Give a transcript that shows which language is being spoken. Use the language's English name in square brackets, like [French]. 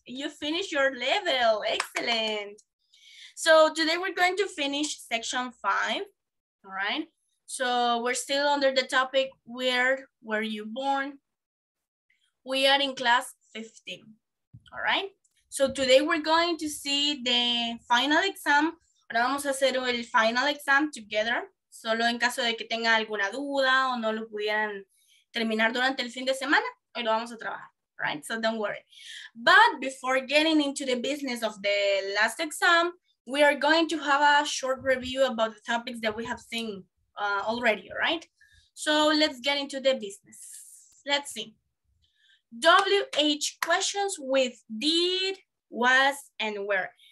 [English] You finish your level. Excellent. So today we're going to finish section 5, all right? So we're still under the topic, where were you born? We are in class 15, all right? So today we're going to see the final exam. [Spanish] Ahora vamos a hacer el [English] final exam together, [Spanish] solo en caso de que tenga alguna duda o no lo pudieran terminar durante el fin de semana, hoy lo vamos a trabajar, right? [English] So don't worry. But before getting into the business of the last exam, we are going to have a short review about the topics that we have seen already, right? So let's get into the business. Let's see. WH questions with did, was, and were.